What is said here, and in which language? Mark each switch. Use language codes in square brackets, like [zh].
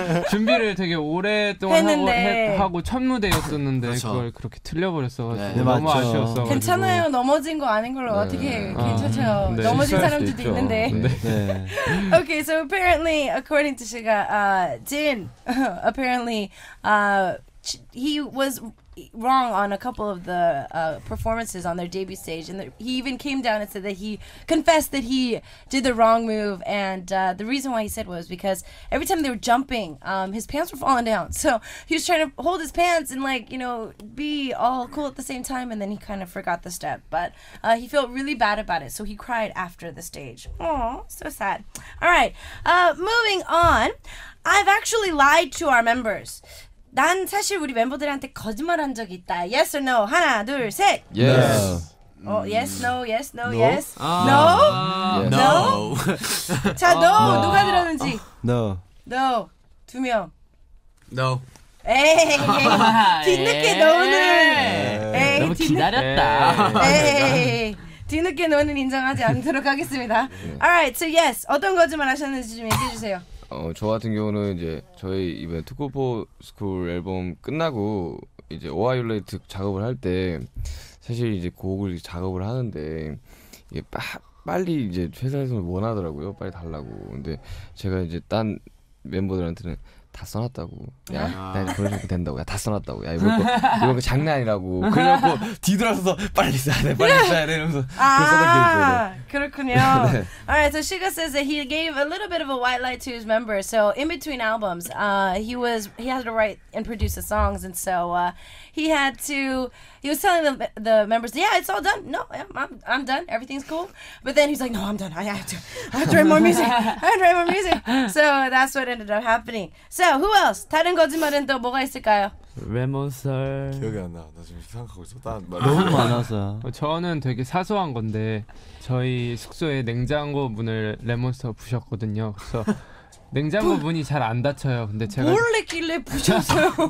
[ko] 준비를 되게 오랫동안 하고 첫 무대였었는데 그걸 그렇게 틀려버렸어. 너무 아쉬웠어. 괜찮아요 넘어진 거 아닌 걸로 어떻게 괜찮죠? 넘어진 사람들도 있는데. 네. [en] Okay, so apparently, according to Suga, Jin, apparently, he was wrong on a couple of the performances on their debut stage, and he even came down and said that he confessed that he did the wrong move, and the reason why he said was because every time they were jumping, his pants were falling down, so he was trying to hold his pants and, like, you know, be all cool at the same time, and then he kind of forgot the step, but he felt really bad about it, so he cried after the stage. Aww, so sad. All right, moving on, I've actually lied to our members. [ko] 난 사실 우리 멤버들한테 거짓말한 적 있다. [en] Yes or no? [ko] 하나, 둘, 셋. [en] Yes. Yes. Oh, yes, no, yes, no, no? yes. No? No. No. No. 자, no. no. [ko] 누가 들었는지. [en] No. No. 두 명. No. [ko] 에이, 뒤늦게 너는. 너무 기다렸다. 뒤늦게 너는 인정하지 않도록 하겠습니다. [en] Alright, so yes. [ko] 어떤 거짓말 하셨는지 좀 얘기해주세요. 저 같은 경우는 이제 저희 이번 투코포 스쿨 앨범 끝나고 이제 오하이올레이트 작업을 할 때 사실 이제 곡을 작업을 하는데 이게 빨리 이제 회사에서 원하더라고요 빨리 달라고 근데 제가 이제 딴 멤버들한테는 다 써놨다고 야 나 이제 보내주면 된다고 야 다 써놨다고 야 이거 장난이라고 그래갖고 뒤돌아서서 빨리 써야 돼 빨리 써야 돼 이러면서 아 그렇군요 네. [en] Alright so Suga says that he gave a little bit of a white lie to his members so in between albums he had to write and produce the songs and so he was telling the members yeah it's all done no I'm done everything's cool but then he's like no I'm done I have to write more music so that's what ended up happening So, who else? [ko] 다른 거짓말은 또 뭐가 있을까요? 레몬설 기억이 안 나. 나 지금 생각하고 있어. 다른 말 너무 많아서. 저는 되게 사소한 건데 저희 숙소에 냉장고 문을 레몬설 부셨거든요. 그래서 냉장고 문이 잘 안 닫혀요. 근데 제가 몰래길래 부셨어요.